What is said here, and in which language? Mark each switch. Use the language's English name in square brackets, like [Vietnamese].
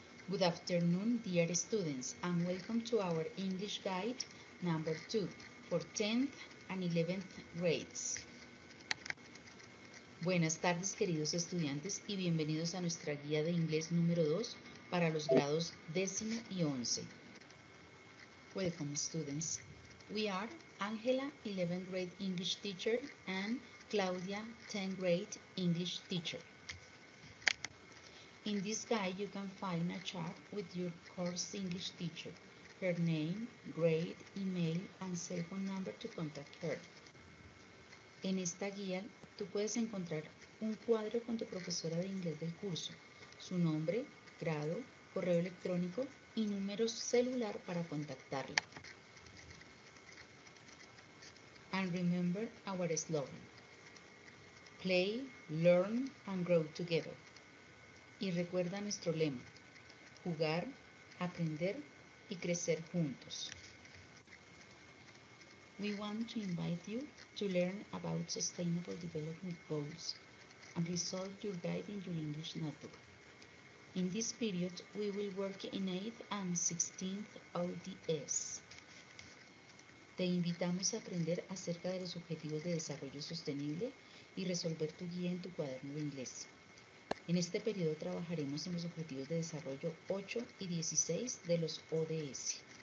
[English] Good afternoon, dear students, and welcome to our English guide number 2 for 10th and 11th grades. [Spanish] Buenas tardes, queridos estudiantes, y bienvenidos a nuestra guía de inglés número 2 para los grados 10 y 11. [English] Welcome, students. We are Angela, 11th grade English teacher, and Claudia, 10th grade English teacher. In this guide, you can find a chart with your course English teacher, her name, grade, email, and cell phone number to contact her. [Spanish] En esta guía, tú puedes encontrar un cuadro con tu profesora de inglés del curso, su nombre, grado, correo electrónico y número celular para contactarla. [English] And remember our slogan, play, learn, and grow together. [Spanish] Y recuerda nuestro lema, jugar, aprender y crecer juntos. [English] We want to invite you to learn about Sustainable Development Goals and resolve your guide in your English notebook. In this period, we will work in 8th and 16th ODS. [Spanish] Te invitamos a aprender acerca de los Objetivos de Desarrollo Sostenible y resolver tu guía en tu cuaderno de inglés. En este periodo trabajaremos en los Objetivos de Desarrollo 8 y 16 de los ODS.